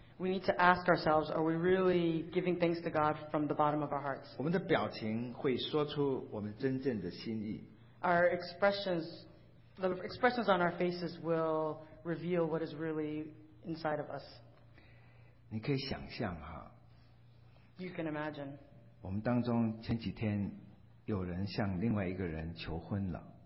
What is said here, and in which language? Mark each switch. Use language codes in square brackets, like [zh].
[en] We need to ask ourselves Are we really giving thanks to God from the bottom of our hearts [zh] 我们的表情会说出我们真正的心意 [en] Our expressions The expressions on our faces will reveal what is really inside of us [zh] 你可以想象哈 [en] You can imagine. [zh] 我们当中前几天有人向另外一个人求婚了。